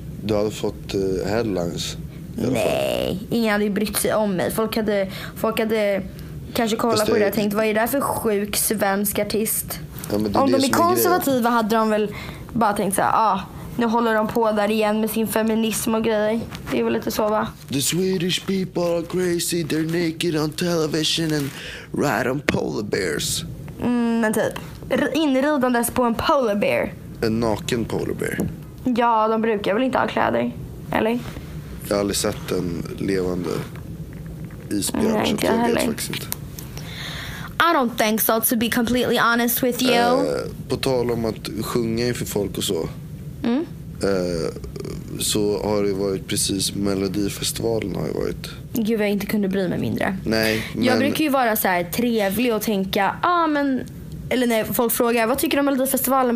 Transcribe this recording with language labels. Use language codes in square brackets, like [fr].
[sv] Du hade fått headlines. Nej, ingen hade brytt sig om mig. Folk hade kanske kollat på det och tänkt, vad är det för sjuk svensk artist? Ja, men om är de är konservativa är hade de väl bara tänkt såhär, ah, nu håller de på där igen med sin feminism och grejer. Det är väl lite så va? [en] The Swedish people are crazy, they're naked on television and ride on polar bears. [sv] Men typ, inridandes på en polar bear. En naken polar bear. Ja, de brukar väl inte ha kläder, eller? Jag har aldrig sett en levande isbjörn. Nej, inte jag heller. [en] I don't think so, to be completely honest with you. [sv] På tal om att sjunga inför folk och så. Mm. Så har det varit precis, Melodifestivalen har ju varit. Gud, jag inte kunde bry mig mindre. Nej, men jag brukar ju vara så här trevlig och tänka, ah men, eller när folk frågar, vad tycker du om Melodifestivalen?